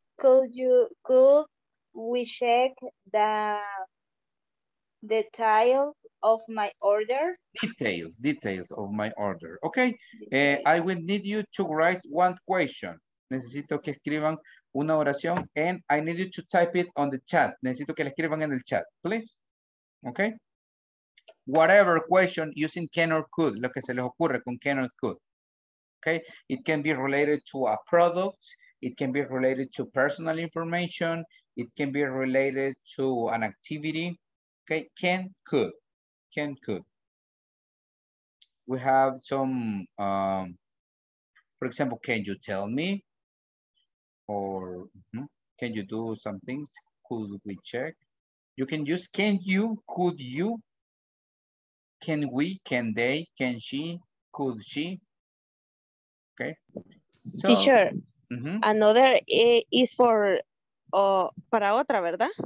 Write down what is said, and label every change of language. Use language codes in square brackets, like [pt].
[en] Could we check the details of my order? Details of my order. Okay. I will need you to write one question. [es] Necesito que escriban una oración [en] and I need you to type it on the chat. [es] Necesito que la escriban en el chat, please. [en] Okay. Whatever question using can or could, [es] lo que se les ocurre con [en] can or could. Okay, it can be related to a product, it can be related to personal information, it can be related to an activity. Okay, can, could. We have some, for example, can you tell me? Or can you do some things? Could we check? You can use can you, could you, can we, can they, can she, could she. Okay. So, teacher, another is for [es] para otra, ¿verdad?